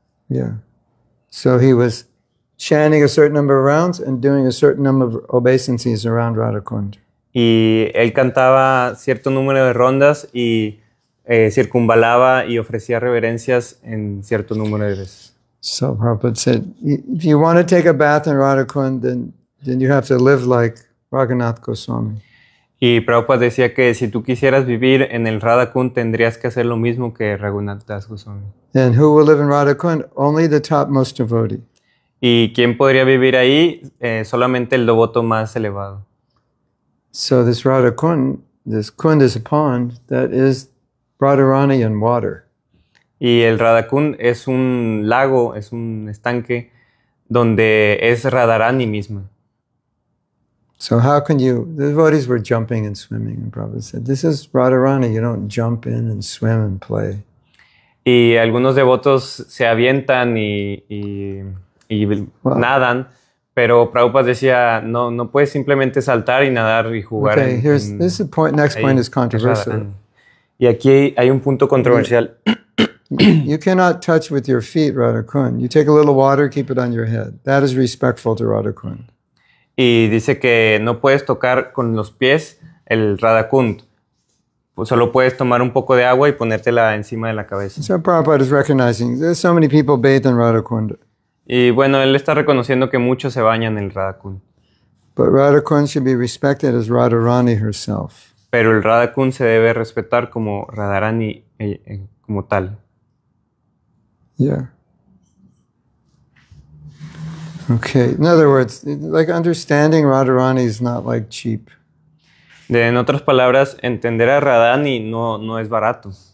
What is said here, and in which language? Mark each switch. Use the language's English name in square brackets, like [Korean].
[English] Yeah. So he was chanting a certain number of rounds and doing a certain number of obeisances around Radha Kund. [Spanish] Y él cantaba cierto número de rondas y circunvalaba y ofrecía reverencias en cierto número de veces. [English] So Prabhupada said, if you want to take a bath in Radha Kund, then you have to live like Raghunath Goswami. [Spanish] Y Prabhupada decía que si tú quisieras vivir en el Radha Kund, tendrías que hacer lo mismo que Raghunath Das Goswami. [English] And who will live in Radha Kund? Only the topmost devotee. [Spanish] ¿Y quién podría vivir ahí? Solamente el devoto más elevado. [English] So this Radha Kund, this Kund is a pond that is Radharani and water. [Spanish] Y el Radha Kund es un lago, es un estanque donde es Radharani misma. [English] So how can you? The devotees were jumping and swimming, and Prabhupada said, "This is Radharani. You don't jump in and swim and play." [Spanish] Y algunos devotos se avientan y nadan, pero Prabhupada decía, no puedes simplemente saltar y nadar y jugar. [English] Okay, this is point. Next point is controversial. [Spanish] Y aquí hay un punto controversial. [English] You cannot touch with your feet Radha Kund. You take a little water, keep it on your head. That is respectful to Radha Kund. [Spanish] Y dice que no puedes tocar con los pies el Radha Kund. Solo puedes tomar un poco de agua y ponértela encima de la cabeza. [English] So Prabhupada is recognizing there's so many people bathe in Radha Kund. [Spanish] Y bueno, él está reconociendo que muchos se bañan en el Radha Kund. [English] But Radha Kund should be respected as Radharani herself. [Spanish] Pero el Radha Kund se debe respetar como Radharani como tal. [English] Yeah. Okay. In other words, like understanding Radharani is not like cheap. [Spanish] En otras palabras, entender a Radharani no es barato.